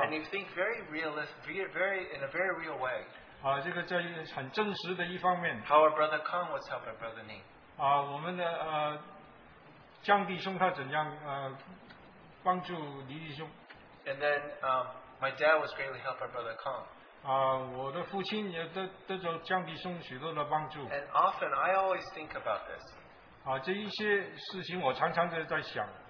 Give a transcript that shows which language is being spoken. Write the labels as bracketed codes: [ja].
[en] And you think very realistic, very in a very real way. [zh] 这个在很真实的一方面, [en] how our brother Kong was helping Brother Ni. [zh] 我们的江弟兄他怎样, 帮助黎弟兄。 [en] And then my dad was greatly helped by Brother Kong. [zh] 我的父亲也得到江弟兄许多的帮助。 [en] And often I always think about this. [zh] 这一些事情我常常在想。